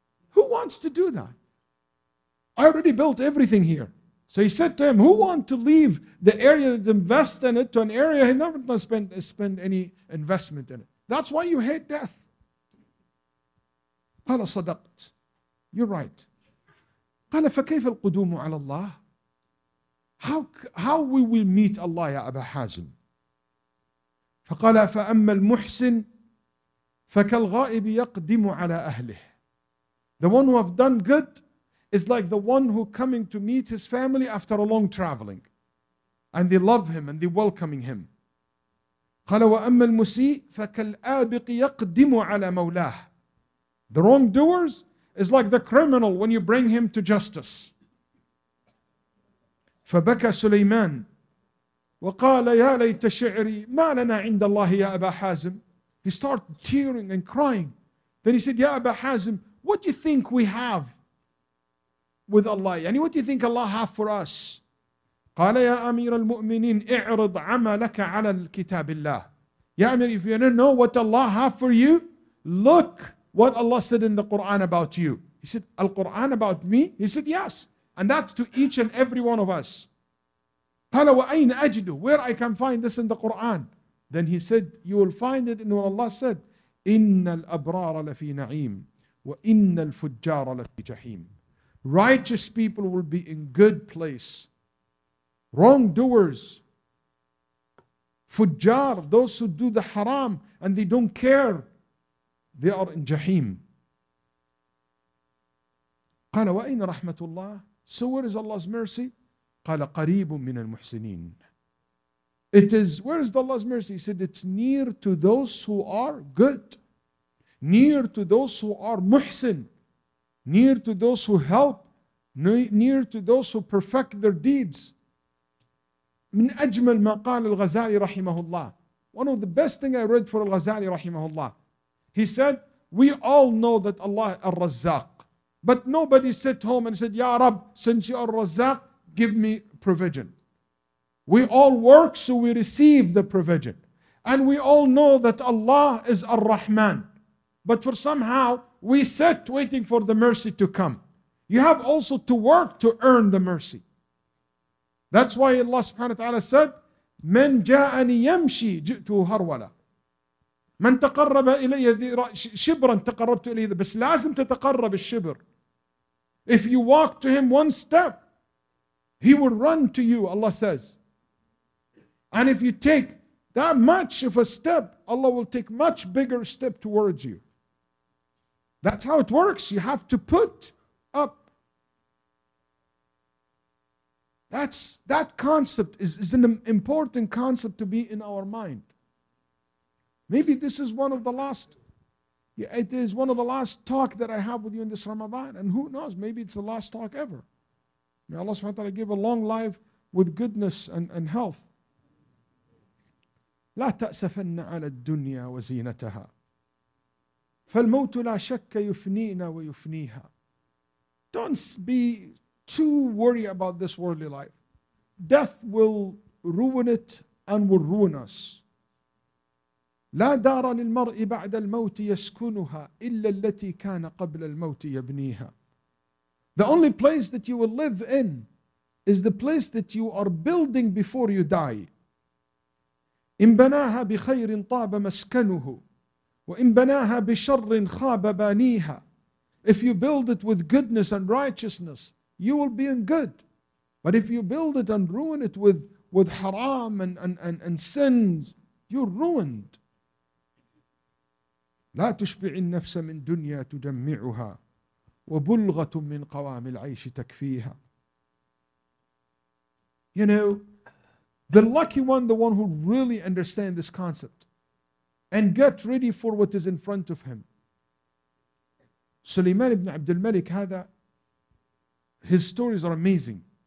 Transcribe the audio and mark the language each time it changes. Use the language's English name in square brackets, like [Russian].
[English] Who wants to do that? I already built everything here. So he said to him, who wants to leave the area that invests in it to an area he never going to spend any investment in it? That's why you hate death. [Arabic] قال صدقت. [English] You're right. [Arabic] قال فكيف القدوم على الله؟ [English] How we will meet Allah [Arabic] يا أبا حازم؟ فقال فأما المحسن فكالغائب يقدم على أهله. [English] The one who have done good is like the one who coming to meet his family after a long traveling. And they love him and they welcoming him. [Arabic] قال وأما المسيء فكالآبق يقدم على مولاه. [English] The wrongdoers is like the criminal when you bring him to justice. [Arabic] فبكى سليمان وقال يا ليت شعري ما لنا عند الله يا أبا حازم. [English] He started tearing and crying. Then he said, [Arabic] يا أبا حازم, [English] what do you think we have with Allah? يعني what do you think Allah have for us? [Arabic] قال يا أمير المؤمنين اعرض عملك على الكتاب الله. يا أمير, [English] if you don't know what Allah have for you, look what Allah said in the Quran about you. He said, Al-Quran about me? He said, yes. And that's to each and every one of us. [Arabic] قال وأين أجده? [English] Where I can find this in the Quran? Then he said, you will find it in what Allah said, [Arabic] إِنَّ الْأَبْرَارَ لَفِي نَعِيمٍ وَإِنَّ الْفُجَّارَ لَفِي جَحِيمٍ. [English] Righteous people will be in good place. Wrongdoers, fujjar, those who do the haram and they don't care, they are in Jahim. [Arabic] قال وأين رحمة الله? [English] So where is Allah's mercy? [Arabic] قال قريب من المحسنين. [English] It is, where is the Allah's mercy? He said, it's near to those who are good, near to those who are muhsin, near to those who help, near to those who perfect their deeds. [Arabic] من أجمل ما قال الغزالي رحمه الله. [English] One of the best things I read for الغزالي رحمه الله. He said, we all know that Allah الرزاق. But nobody sat home and said, [Arabic] يا رب, [English] since you are الرزاق, give me provision. We all work so we receive the provision. And we all know that Allah is Ar-Rahman. But for somehow, we sit waiting for the mercy to come. You have also to work to earn the mercy. That's why Allah subhanahu wa ta'ala said, [Arabic] من جاءني يمشي جئت هرولا. من تقرب إلي شبرا تقربت إليه. بس لازم تتقرب الشبر. [English] If you walk to him one step, he will run to you, Allah says. And if you take that much of a step, Allah will take much bigger step towards you. That's how it works. You have to put up. That concept is an important concept to be in our mind. Maybe this is one of the last, it is one of the last talk that I have with you in this Ramadan. And who knows, maybe it's the last talk ever. May Allah subhanahu wa ta'ala give a long life with goodness and health. [Arabic] لا تأسفن على الدنيا وزينتها فالموت لا شك يفنينا ويفنيها. [English] Don't be too worried about this worldly life. Death will ruin it and will ruin us. [Arabic] لا دار للمرء بعد الموت يسكنها إلا التي كان قبل الموت يبنيها. [English] The only place that you will live in is the place that you are building before you die. [Arabic] إن بناها بخير طاب مسكنه وإن بناها بشر خاب بانيها. [English] If you build it with goodness and righteousness, you will be in good. But if you build it and ruin it with haram and sins, you're ruined. [Arabic] لا تشبع النفس من دنيا تجمعها وبلغة من قوام العيش تكفيها. [English] You know, the lucky one, the one who really understands this concept and get ready for what is in front of him. Sulaiman ibn Abd al-Malik, his stories are amazing.